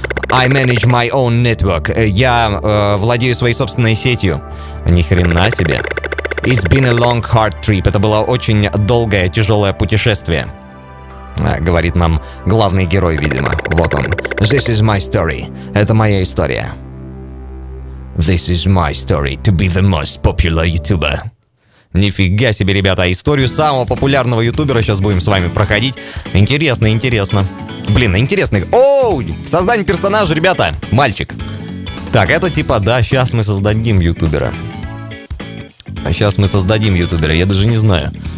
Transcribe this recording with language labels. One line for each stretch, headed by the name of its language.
English: I manage my own network.
Russian: Я владею своей собственной сетью. Ни хрена себе.
English: It's been a long hard trip.
Russian: Это было очень долгое, тяжелое путешествие. Говорит нам главный герой, видимо. Вот он.
English: This is my story.
Russian: Это моя история.
English: This is my story to be the most popular YouTuber.
Russian: Нифига себе, ребята, историю самого популярного ютубера сейчас будем с вами проходить. Интересно, интересно. Блин, интересный. Оу, создание персонажа, ребята, мальчик. Так, это типа, да, сейчас мы создадим ютубера. Сейчас мы создадим ютубера, я даже не знаю.